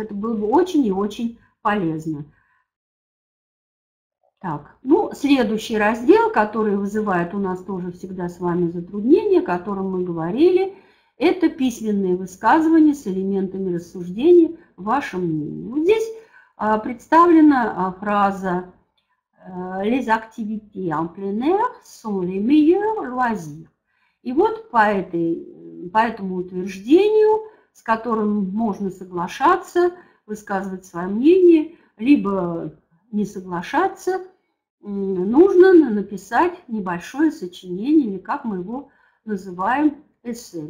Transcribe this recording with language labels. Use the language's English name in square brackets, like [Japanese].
[Russian] Это было бы очень и очень полезно. Так, ну, следующий раздел, который вызывает у нас тоже всегда с вами затруднения, о котором мы говорили, это письменные высказывания с элементами рассуждения, ваше мнение. Вот здесь представлена фраза [French] «Les activités en plein air sont les meilleurs loisirs». [Russian] И вот по этому утверждению, с которым можно соглашаться, высказывать свое мнение, либо не соглашаться, нужно написать небольшое сочинение, или как мы его называем, эссе.